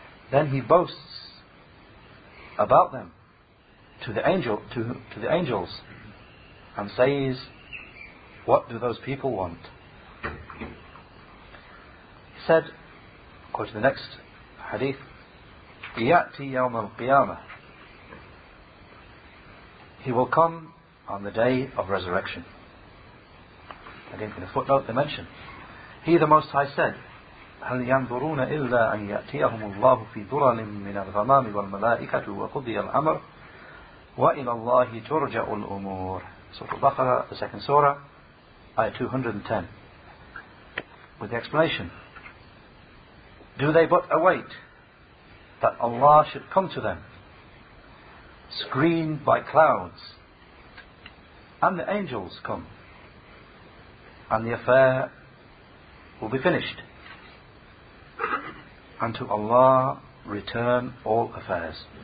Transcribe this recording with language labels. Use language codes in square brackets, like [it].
[en] Then he boasts about them to the angels and says, what do those people want? He said, according to the next hadith, [ar] يأتي يوم القيامة, [en] he will come on the day of resurrection. Again, in a footnote they mention, he the Most High said, [ar] هل ينظرون إلا أن يأتيهم الله في ظلل من الغمام والملائكة وقضي الأمر وإلى الله ترجع الأمور. [en] Surah Al-Baqarah, the second surah, ayah 210, with the explanation, do they but await that Allah should come to them, screened by clouds, and the angels come, and the affair will be finished, and to Allah return all affairs.